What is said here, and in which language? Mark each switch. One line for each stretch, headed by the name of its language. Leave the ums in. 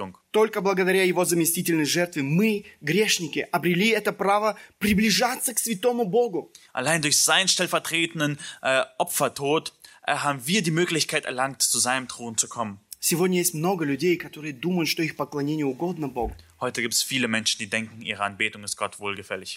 Russian: Только благодаря его заместительной жертве мы, грешники, обрели это право приближаться к святому Богу.
German: Allein durch seinen stellvertretenden äh, Opfertod äh, haben wir die Möglichkeit erlangt, zu seinem Thron zu kommen.
Russian: Сегодня есть много людей, которые думают, что их поклонение угодно Богу.
German: Heute gibt es viele Menschen, die denken, ihre Anbetung ist Gott wohlgefällig.